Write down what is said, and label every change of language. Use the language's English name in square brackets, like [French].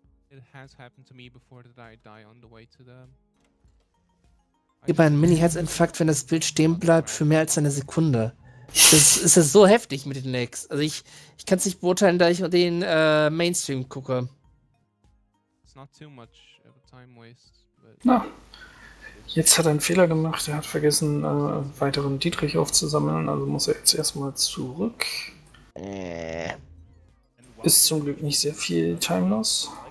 [English] It has happened to me before that I die on the way to the. [German] Gib einen Mini-Herzinfarkt, wenn das Bild stehen bleibt für mehr als eine Sekunde. Das ist so heftig mit den Lags. Also ich kann es nicht beurteilen, da ich den Mainstream gucke. [English] It's not too much of a time waste. [German] Na, jetzt hat er einen Fehler gemacht, er hat vergessen, weiteren Dietrich aufzusammeln, also muss er jetzt erstmal zurück. Ist zum Glück nicht sehr viel Time Loss.